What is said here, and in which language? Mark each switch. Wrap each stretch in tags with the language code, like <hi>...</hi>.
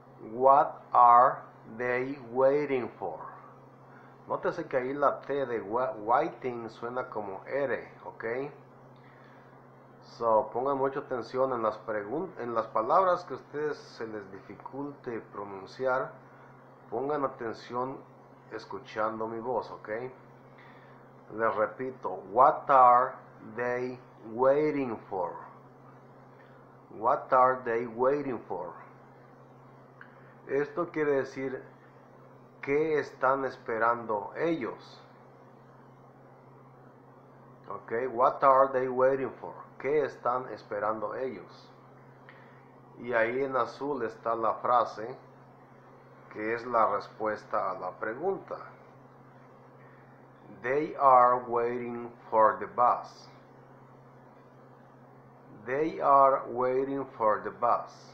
<en>What are they waiting for?</en> <es>Nótese que ahí la T de waiting suena como R, ¿ok? So, pongan mucha atención en las palabras que a ustedes se les dificulte pronunciar. Pongan atención escuchando mi voz, ¿ok? Les repito,</es> <en>What are they waiting for? What are they waiting for?</en> <es>Esto quiere decir, ¿qué están esperando ellos?</es> <en>Ok, what are they waiting for?</en> <es>¿Qué están esperando ellos? Y ahí en azul está la frase que es la respuesta a la pregunta.</es> <en>They are waiting for the bus. They are waiting for the bus.</en>